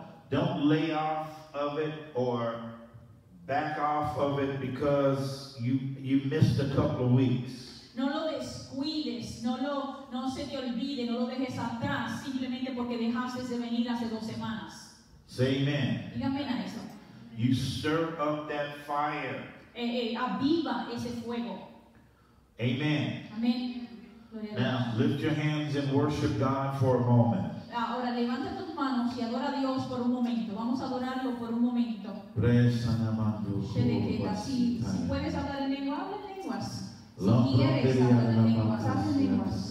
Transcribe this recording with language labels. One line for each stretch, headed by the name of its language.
English: Don't lay off of it or back off of it because you missed a couple of weeks.
Spanish: No lo descuides, no se te olvide, no lo dejes atrás simplemente porque dejaste de venir hace dos semanas.
English: Say amen.
Spanish: Dígame a eso.
English: You stir up that fire.
Spanish: Aviva ese fuego. Amen. Amen.
English: Now lift your hands and worship God for a moment.
Spanish: Ahora levanta tus manos y adora a Dios por un momento. Vamos a adorarlo por un momento. Presa namando. Si puedes hablar en lengua, habla en lenguas. Si quieres, habla en lenguas, habla en lenguas.